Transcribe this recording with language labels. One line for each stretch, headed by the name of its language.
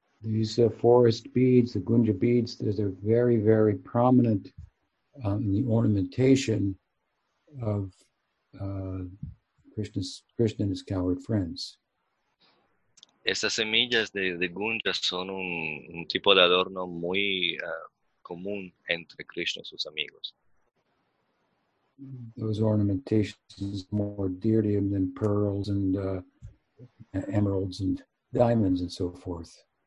English: These forest beads, the gunja beads, they're very, very prominent in the ornamentation of Krishna and his coward friends.
Spanish: Estas semillas de gunja son un tipo de adorno muy común entre Krishna y sus amigos.
English: Those ornamentations are more dear to him than pearls and emeralds and diamonds and so forth.